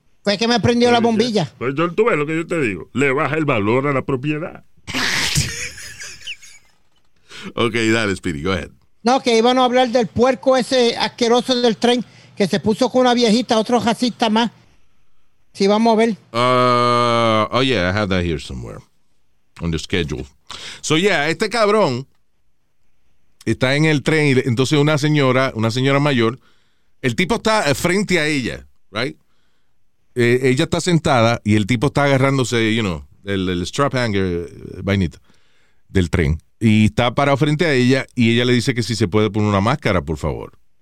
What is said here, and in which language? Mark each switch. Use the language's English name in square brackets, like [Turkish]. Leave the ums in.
[Spanish] pues es que me prendió la bombilla. Ya. Pues yo tú ves lo que yo te digo. Le baja el valor a la propiedad. ok, dale, Speedy, [English] go ahead. [Spanish] No, que iban a hablar del puerco ese asqueroso del tren que se puso con una viejita, otro racista más. Si vamos a ver. [English] Uh, oh, yeah, I have that here somewhere. On the schedule. [Spanish] So, yeah, este cabrón está en el tren y entonces una señora, una señora mayor, el tipo está frente a ella, [English] right? [Spanish] Eh, ella está sentada y el tipo está agarrándose, [English] you know, [Spanish] el, el strap hanger, vainito del tren y está parado frente a ella y ella le dice que si se puede poner una máscara, por favor.